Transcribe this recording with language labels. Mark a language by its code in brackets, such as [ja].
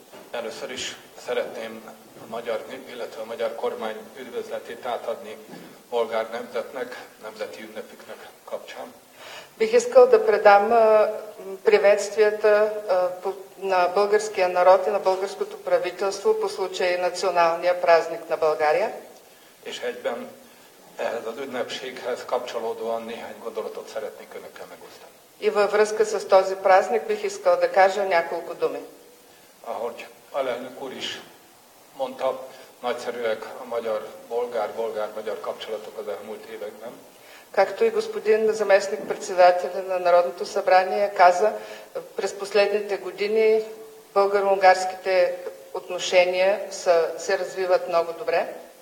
[hu] Először is szeretném a magyar, illetve a magyar kormány üdvözletét átadni bolgár nemzetnek, nemzeti ünnepüknek kapcsán. [bg] Бих искал да предам приветствията на българския народ и на българското правителство по случай националния празник на България. [hu] És egyben ehhez az ünnepséghez kapcsolódóan néhány gondolatot szeretnék önökkel megosztani. [bg] Ива връзка с този празник бих искал да кажа няколко думи. [hu] Ahogy alelnök úr is mondta, nagyszerűek a magyar bolgár-magyar kapcsolatok az elmúlt években. [bg] Както и господин заместник-председателя на Народното събрание каза, през последните години българо-унгарските отношения се развиват много добре.